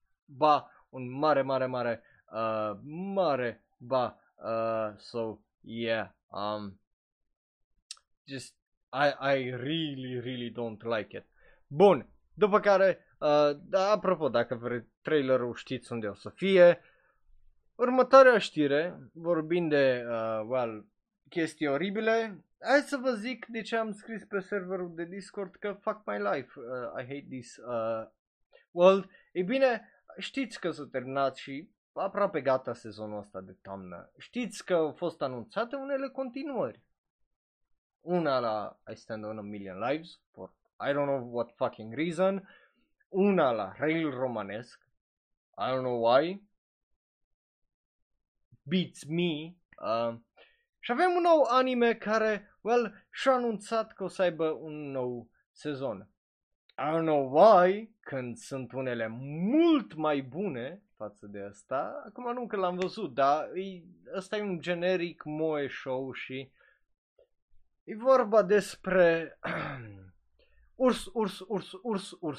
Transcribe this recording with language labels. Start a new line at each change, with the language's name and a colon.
Romanian: Ba, un mare, ba,
English: so, yeah, just, I really, really don't like it.
Romanian: Bun, după care, apropo, dacă vreți trailerul, știți unde o să fie. Următoarea știre, vorbind de, chestii oribile, hai să vă zic de ce am scris pe serverul de Discord că
English: fuck my life, I hate this world.
Romanian: E bine, știți că s-a terminat și aproape gata sezonul ăsta de toamnă. Știți că au fost anunțate unele continuări. Una la I Stand on a Million Lives
English: for I don't know what fucking reason.
Romanian: Una la Rail Romanesc,
English: I don't know why, beats me.
Romanian: Și avem un nou anime care, well, și-a anunțat că o să aibă un nou sezon.
English: I don't know why,
Romanian: când sunt unele mult mai bune față de ăsta. Acum nu că l-am văzut, dar ăsta e un generic moe show și e vorba despre urs.